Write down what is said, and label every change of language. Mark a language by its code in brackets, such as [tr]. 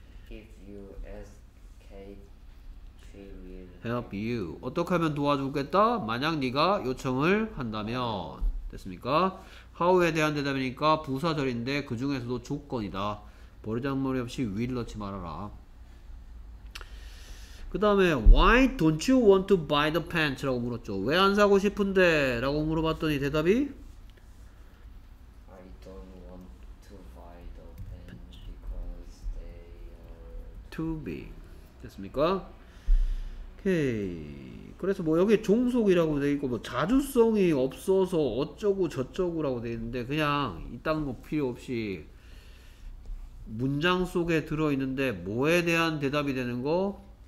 [en] If you ask Kate, she will help you. [ko] 어떻게 하면 도와주겠다? 만약 네가 요청을 한다면 됐습니까? How에 대한 대답이니까 부사절인데 그 중에서도 조건이다. 버리장머리 없이 will 넣지 말아라. 그 다음에 [en] Why don't you want to buy the pants? [ko] 라고 물었죠. 왜 안 사고 싶은데? 라고 물어봤더니 대답이 [en] I don't want to buy the pants because they are too big. [ko] 됐습니까? 오케이. 그래서 뭐 여기 종속이라고 돼있고 뭐 자주성이 없어서 어쩌고 저쩌고 라고 돼있는데 그냥 이딴 거 필요 없이 문장 속에 들어있는데 뭐에 대한 대답이 되는 거?